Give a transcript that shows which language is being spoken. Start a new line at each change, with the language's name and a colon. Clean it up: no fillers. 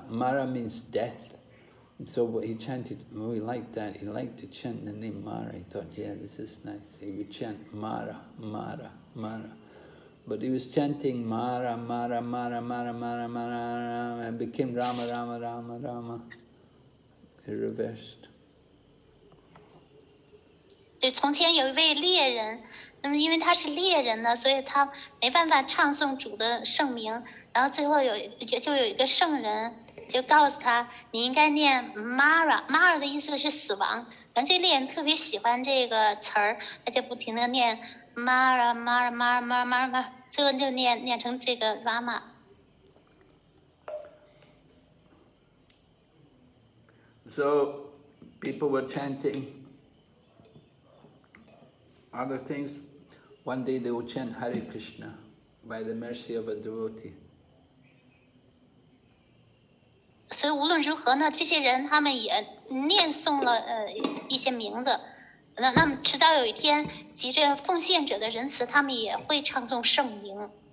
English: Mara means death. And so what he chanted, well, he liked that, he liked to chant the name Mara. He thought, yeah, this is nice. He would chant Mara, Mara, Mara. But he was chanting Mara, Mara, Mara, Mara, Mara, Mara, Mara, Mara, and became Rama, Rama, Rama, Rama. He reversed.
Chinese: 就从前有一位猎人，那么因为他是猎人呢，所以他没办法唱诵主的圣名。然后最后有一个圣人就告诉他，你应该念 Mara，Mara 的意思是死亡。反正这猎人特别喜欢这个词儿，他就不停的念。 Mara, Mara, Mara, Mara, Mara, Mara, 最后就念成这个 Rama。
English: So, people were chanting other things. One day they will chant Hare Krishna by the mercy of a devotee.
Chinese: 所以无论如何呢，这些人他们也念诵了一些名字。那么迟早有一天，急着奉献者的仁慈，他们也会唱诵圣名。